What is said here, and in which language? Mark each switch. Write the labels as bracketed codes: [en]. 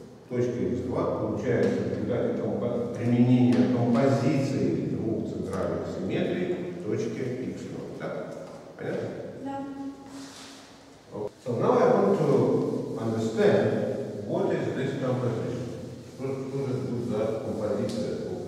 [ru] Точка x2 получается в результате применения композиции двух центральных симметрий в точке x0. Да? Понятно? Да. [en] So now I want to understand what is this composition. [ru] Что же тут за композиция?